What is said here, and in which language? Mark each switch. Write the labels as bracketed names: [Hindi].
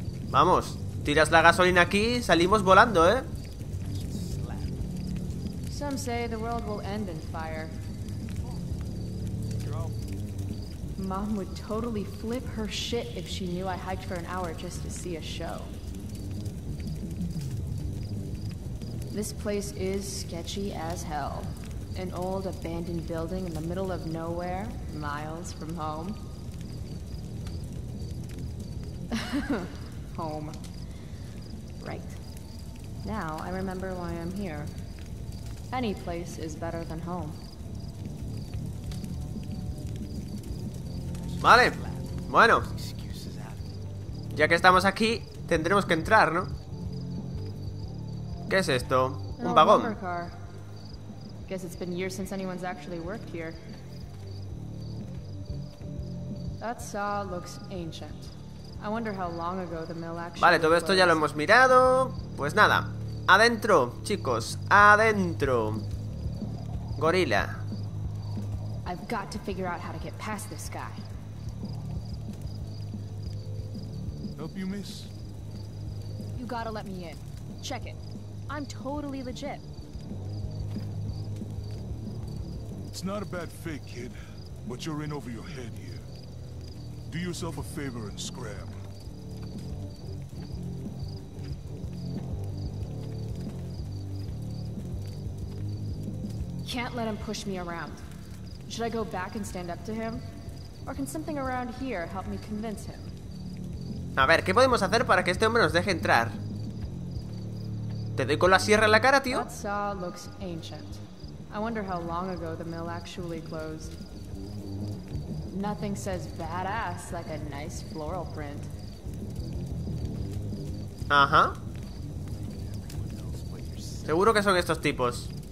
[Spanish] Vamos, tiras la gasolina aquí, salimos volando, ¿eh? [English] Some say the world will end in fire. Mom would totally flip her shit if she knew I hiked for an hour just to see a show. This place is sketchy as hell. An old abandoned building in the middle of nowhere, miles from home. Home. Right. Now I remember why I'm here. Any place is better than home. [Spanish] Vale, bueno, ya que estamos aquí, tendremos que entrar, ¿no? ¿Qué es esto? Un vagón. [English] Guess it's been years since anyone's actually worked here. That saw looks ancient. I wonder how long ago the mill actually. [Spanish] Vale, todo esto ya lo hemos mirado. Pues nada, adentro, chicos, adentro. Gorila. [English] I've got to figure out how to get past this guy. Help you, miss? You gotta let me in. Check it. I'm totally legit. It's not a bad fake, kid, but you're in over your head here. Do yourself a favor and scram. Can't let him push me around. Should I go back and stand up to him? Or can something around here help me convince him? [Spanish] A ver, ¿qué podemos hacer para que este hombre nos deje entrar? ¿Te doy con la sierra en la cara, tío? [English] That saw looks ancient. I wonder how long ago the mill actually closed. Nothing says badass like a nice floral print. Ajá. [Spanish] Seguro que son estos tipos.